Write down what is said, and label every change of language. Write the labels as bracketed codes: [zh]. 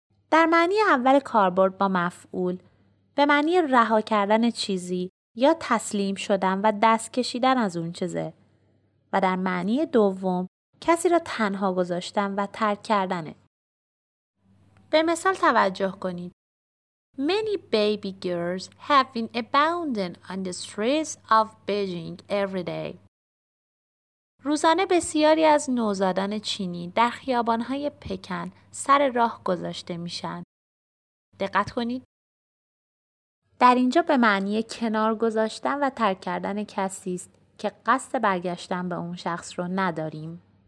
[fa] در معنی اول کاربرد با مفعول به معنی رها کردن چیزی یا تسلیم شدن و دست کشیدن از اون چیزه و در معنی دوم کسی را تنها گذاشتن و ترک کردنه. به مثال توجه کنید. [en] Many baby girls have been abandoned on the streets of Beijing every day. [fa] روزانه بسیاری از نوزادان چینی در خیابان‌های پکن سر راه گذاشته میشن. دقت کنید. در اینجا به معنی کنار گذاشتن و ترک کردن کسی است که قصد برگشتن به اون شخص رو نداریم.